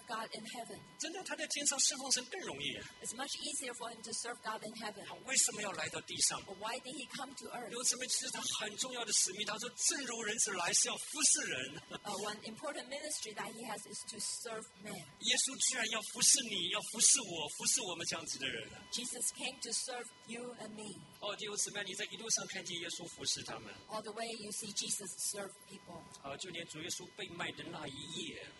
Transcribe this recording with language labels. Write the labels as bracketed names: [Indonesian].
[English] It's much easier for him to serve God in heaven. But why did he come to earth? One important ministry that he has is to serve men. Jesus came to serve you and me. [Chinese] 弟兄姊妹，你在一路上看见耶稣服侍他们。 [English] All the way you see Jesus serve people. [Chinese] 就连主耶稣被卖的那一夜。